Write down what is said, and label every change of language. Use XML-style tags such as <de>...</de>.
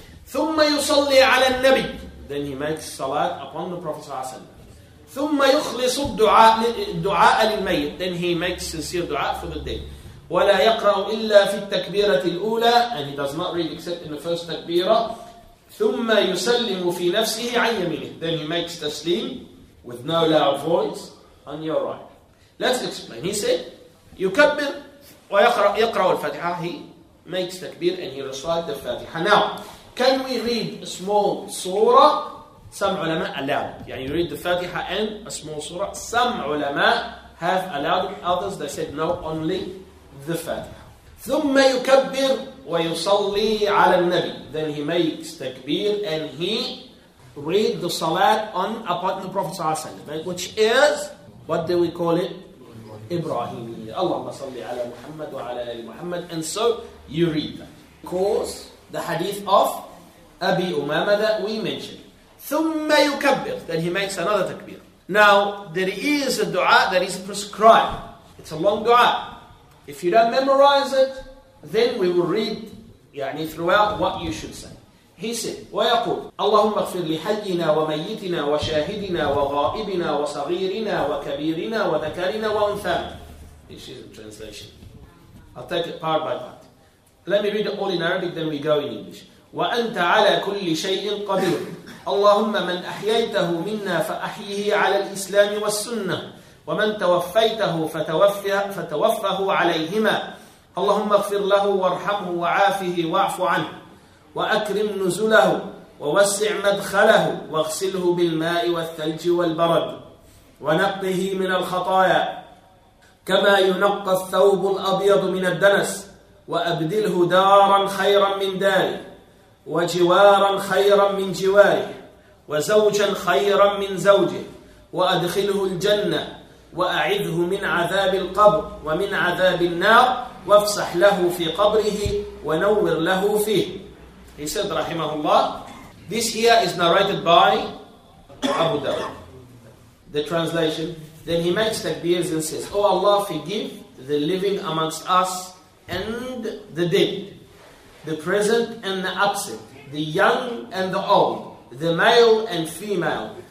<ar>ثم يصلي على النبي,</ar> <en>then he makes salat upon the Prophet صلى الله عليه وسلم.</en> <ar>ثم يخلص الدعاء للميت,</ar> <en>then he makes sincere dua for the dead.</en> <ar>ولا يقرأ إلا في التكبيرة الأولى,</ar> <en>and he does not read except in the first takbira.</en> <ar>ثم يسلم في نفسه عن يمينه,</ar> <en>then he makes taslim with no loud voice on your right. Let's explain. He said,</en> <ar>يُكَبِّرْ وَيَقْرَأُ الْفَاتِحَةَ.</ar> <en>He makes takbir and he recites the Fatiha. Now, can we read a small surah? Some ulama allow. Yani you read the Fatiha and a small surah. Some ulama have allowed it. Others, they said, no, only the Fatiha.</en> <ar>ثُمَّ يُكَبِّرْ وَيُصَلِّي عَلَى النَّبِيِّ.</ar> <en>Then he makes takbir and he read the salat upon the Prophet صلى الله عليه وسلم, which is, what do we call it? Ibrahimiyya. Allahumma salli ala Muhammad wa ala ali Muhammad. And so you read that. Of course, the hadith of Abi Umama that we mentioned. Thumma yukabbir. Then he makes another takbir. Now, there is a dua that is prescribed. It's a long dua. If you don't memorize it, then we will read throughout what you should say. He said,</en> <ar>ويقول, اللهم اغفر لحينا وميتنا وشاهدنا وغائبنا وصغيرنا وكبيرنا وذكرنا وانثانا.</ar> <en>This is a translation. I'll take it part by part. Let me read it all in Arabic, then we go in English.</en> <ar>وأنت على كل شيء قدير. اللهم من أحييته منا فأحيه على الإسلام والسنة. ومن توفيته فتوفه عليهما. اللهم اغفر له وارحمه وعافه واعف عنه. وأكرم نزله ووسع مدخله واغسله بالماء والثلج والبرد ونقه من الخطايا كما ينقى الثوب الأبيض من الدنس وأبدله دارا خيرا من داره وجوارا خيرا من جواره وزوجا خيرا من زوجه وأدخله الجنة وأعذه من عذاب القبر ومن عذاب النار وافسح له في قبره ونور له فيه.</ar> <en>He said, rahimahullah, this here is narrated by Abu Dawud. The translation, then he makes takbirs and says, oh Allah, forgive the living amongst us and the dead, the present and the absent, the young and the old, the male and female.</en>